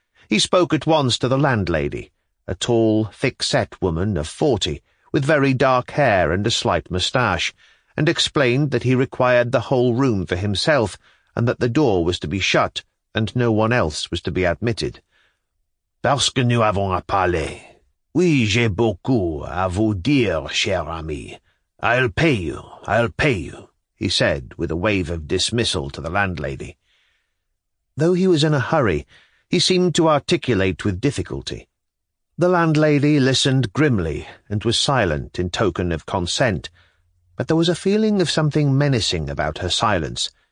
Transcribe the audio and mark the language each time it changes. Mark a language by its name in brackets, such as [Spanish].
[English] He spoke at once to the landlady, a tall, thick-set woman of 40, with very dark hair and a slight moustache, and explained that he required the whole room for himself, and that the door was to be shut, and no one else was to be admitted. [French] "Parce que nous avons à parler. Oui, j'ai beaucoup à vous dire, cher ami. [English] I'll pay you, I'll pay you," he said with a wave of dismissal to the landlady. Though he was in a hurry, he seemed to articulate with difficulty. The landlady listened grimly and was silent in token of consent, but there was a feeling of something menacing about her silence.